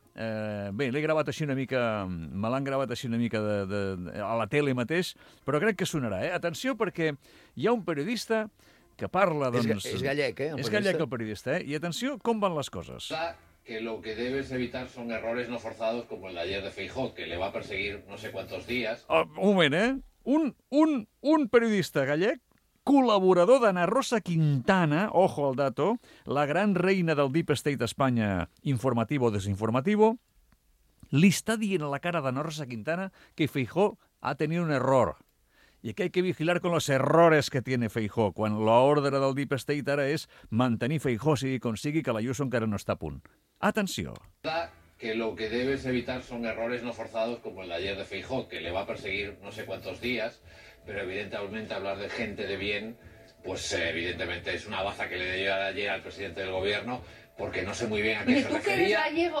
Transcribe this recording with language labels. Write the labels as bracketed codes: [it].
[ca] Bé, l'he gravat així una mica... Me l'han gravat així una mica a la tele mateix, però crec que sonarà, eh? Atenció, perquè hi ha un periodista que parla, doncs... És gallec, eh? És gallec el periodista, eh? I atenció, com van les coses. [es] Que lo que debes evitar son errores no forzados como el de ayer de Feijóo, que le va a perseguir no sé cuántos días. [ca] Un moment, eh? Un periodista gallec, col·laborador d'Anna Rosa Quintana, [es] ojo al dato, [ca] la gran reina del Deep State d'Espanya, [es] informativo o desinformativo, [ca] li està dient a la cara d'Anna Rosa Quintana que Feijóo [es] ha tenido un error. [ca] I que [es] hay que vigilar con los errores que tiene Feijóo, [ca] quan l'ordre del Deep State ara és mantenir Feijóo si consigui que la Ayuso encara no està a punt. Atenció. [es] Que lo que debes evitar son errores no forzados como el de ayer de Feijóo, que le va a perseguir no sé cuántos días, pero evidentemente hablar de gente de bien, pues evidentemente es una baza que le dio ayer al presidente del gobierno, porque no sé muy bien a qué se refería. ¿Tú eres gallego?